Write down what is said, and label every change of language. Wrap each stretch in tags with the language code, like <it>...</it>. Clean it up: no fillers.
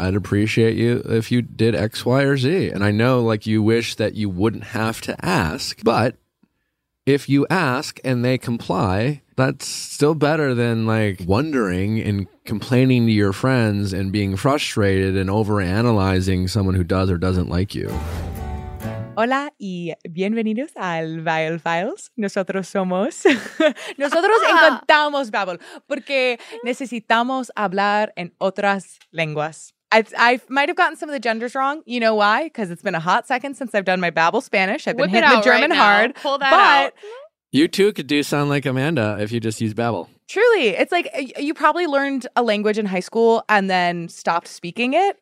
<en>I'd appreciate you if you did X, Y, or Z. And I know, like, you wish that you wouldn't have to ask, but if you ask and they comply, that's still better than, like, wondering and complaining to your friends and being frustrated and overanalyzing someone who does or doesn't like you.</en> <es>Hola y bienvenidos al Vile Files. Nosotros somos... Nosotros encantamos Babel porque necesitamos hablar en otras lenguas.</es> <en>I might have gotten some of the genders wrong. You know why? Because it's been a hot second since I've done my Babel Spanish. I've been Whip hitting the German right hard. Pull that out. You too could do sound like Amanda if you just use Babel. Truly. It's like you probably learned a language in high school and then stopped speaking it.</en>